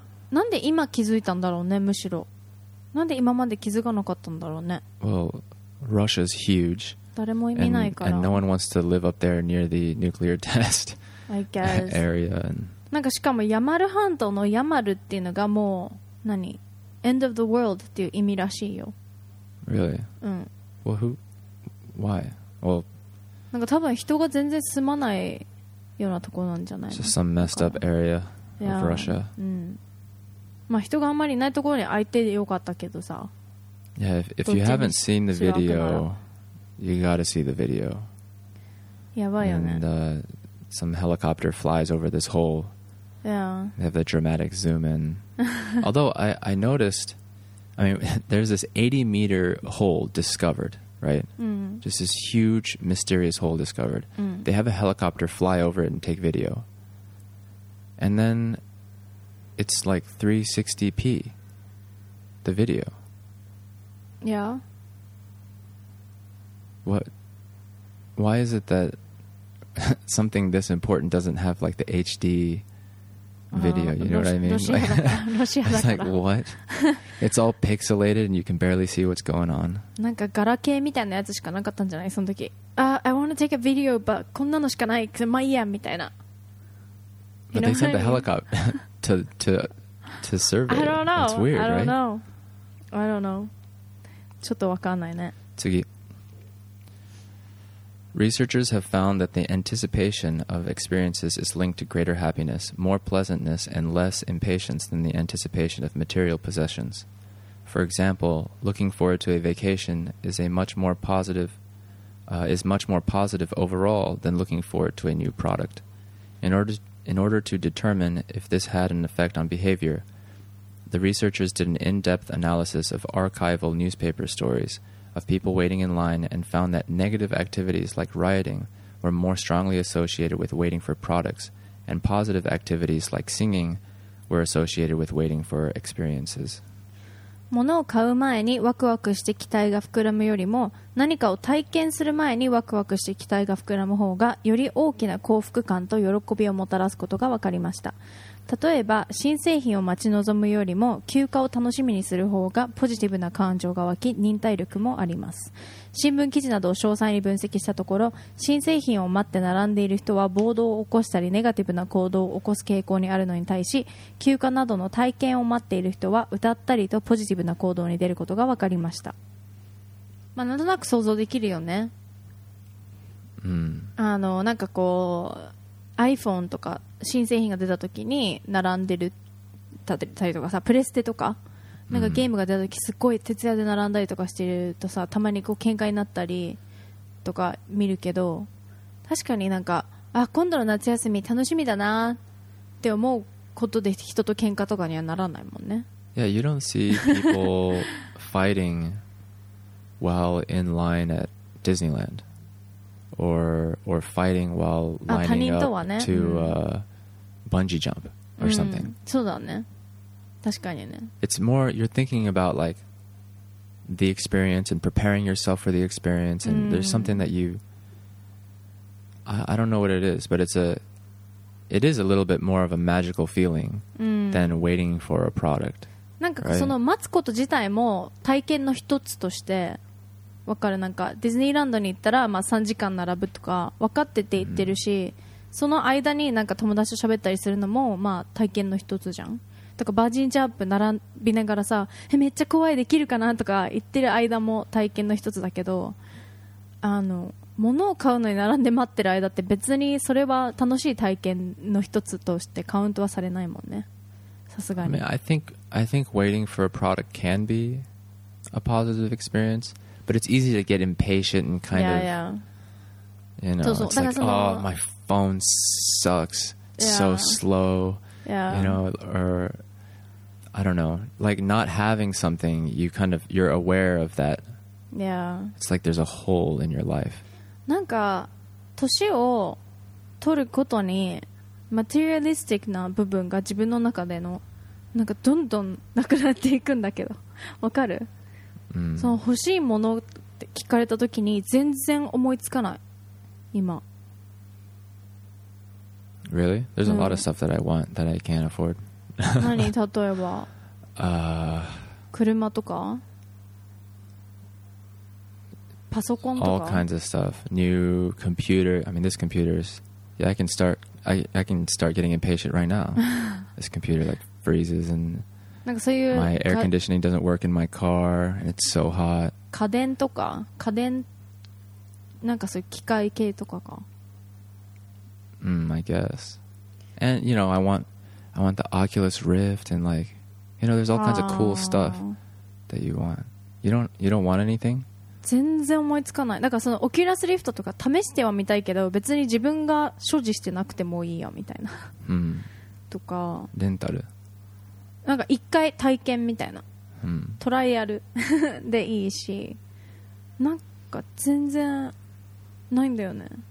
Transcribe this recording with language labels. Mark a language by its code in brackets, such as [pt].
[ja] なんで今気づいたんだろうね、むしろ。なんで今まで気づかなかったんだろうね。 [en] Well, Russia's huge. [ja] 誰も見ないから。 [en] And no one wants to live up there near the nuclear test I guess. area. And... [ja] なんかしかも、ヤマル半島のヤマルっていうのがもう、何 ? [en] End of the world [ja] っていう意味らしいよ。 [en] Really? Well, who? Why? Well, [ja] なんか多分人が全然住まないようなところなんじゃないの？ [en] Just some messed up area of Russia. [ja] まあ人があんまりいないところに空いてよかったけどさ。 [en] Yeah, if you haven't seen the video, you gotta see the video. [ja] やばいよね。 [en] And some helicopter flies over this hole. Yeah. They have a dramatic zoom in. Although I noticed... I mean, there's this 80-meter hole discovered, right? Just this huge, mysterious hole discovered. They have a helicopter fly over it and take video. And then it's like 360p, the video. Yeah. What? Why is it that something this important doesn't have like the HD... video, you know what I mean? Russia, it's like, what? It's all pixelated and you can barely see what's going on. [ja] なんかガラケーみたいなやつしかなかったんじゃない？その時。 [en] I want to take a video, but [ja] こんなのしかない。まあいいやみたいな。 [en] But they sent the helicopter to survey. I don't know. It's weird, right? I don't know. [ja] ちょっとわかんないね。次。 [en] Researchers have found that the anticipation of experiences is linked to greater happiness, more pleasantness, and less impatience than the anticipation of material possessions. For example, looking forward to a vacation is much more positive overall than looking forward to a new product. In order to determine if this had an effect on behavior, the researchers did an in-depth analysis of archival newspaper stories. Of people waiting in line and found that negative activities like rioting were more strongly associated with waiting for products, and positive activities like singing were associated with waiting for experiences. [ja] 物を買う前にワクワクして期待が膨らむよりも、何かを体験する前にワクワクして期待が膨らむ方が、より大きな幸福感と喜びをもたらすことが分かりました。例えば新製品を待ち望むよりも休暇を楽しみにする方がポジティブな感情が湧き忍耐力もあります。新聞記事などを詳細に分析したところ、新製品を待って並んでいる人は暴動を起こしたりネガティブな行動を起こす傾向にあるのに対し、休暇などの体験を待っている人は歌ったりとポジティブな行動に出ることが分かりました。まあ、なんとなく想像できるよね。なんかこうiPhone とか新製品が出た時に並んでる立てたりとかさ、プレステとかなんかゲームが出た時すごい徹夜で並んだりとかしてるとさ、たまにこう喧嘩になったりとか見るけど、確かになんか、あ、今度の夏休み楽しみだなって思うことで人と喧嘩とかにはならないもんね。 [en] Yeah, you don't see people fighting while in line at Disneyland. Or fighting while lining up to bungee jump or something. そうだね。確かにね。 It's more, you're thinking about like the experience and preparing yourself for the experience. And there's something that you, I don't know what it is, but it is a little bit more of a magical feeling than waiting for a product. [ja] なんかその待つこと自体も体験の一つとして、わかる、なんかディズニーランドに行ったら、まあ、3時間並ぶとか分かってて行ってるし、うん、その間になんか友達と喋ったりするのも、まあ、体験の一つじゃん。とかバージンジャンプ並びながらさ、え、めっちゃ怖い、できるかなとか言ってる間も体験の一つだけど、あの物を買うのに並んで待ってる間って別にそれは楽しい体験の一つとしてカウントはされないもんね、さすがに。 [en] I mean, I think waiting for a product can be a positive experience, but it's easy to get impatient and kind yeah, of yeah. you know, it's like, oh, my phone sucks, it's so slow. Yeah. You know, or I don't know, like not having something, you kind of, you're aware of that. Yeah. It's like there's a hole in your life. [ja] なんか年を取ることにマテリアリスティックな部分が自分の中でのなんかどんどんなくなっていくんだけど、わかる、うん、その欲しいものって聞かれた時に全然思いつかない今。 [en] Really? There's a lot of stuff that I want that I can't afford. [ja] 何例えば、車とか、パソコンとか、 [en] All kinds of stuff. New computer. I mean, this computer is... Yeah, I can start getting impatient right now. This computer like freezes and [ja] なんかそういう、 [en] my air conditioning doesn't work in my car and it's so hot. [ja] 家電とか、家電、なんかそういう機械系とかか。 [en] I guess. And, you know, I want the Oculus Rift and like, you know, there's all kinds of cool stuff that you want. You don't want anything? [ja] 全然思いつかない。だからそのオキュラスリフトとか試してはみたいけど、別に自分が所持してなくてもいいやみたいな、うん、とかレンタル、なんか一回体験みたいな、うん、トライアルでいいし、なんか全然ないんだよね。